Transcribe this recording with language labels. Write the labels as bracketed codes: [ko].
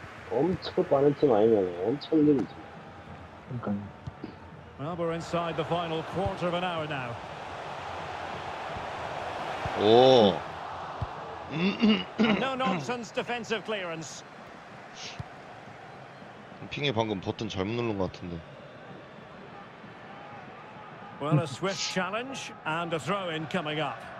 [ko] 엄청 빠른 팀 아니면 엄청 느리지. 그러니까. [en] Well, we're inside the final quarter of an hour now. [ko] 오. [en] No nonsense defensive clearance. [ko] 핑에 방금 버튼 잘못 누른 것 같은데. [en] Well, a swift challenge and a throw in coming up.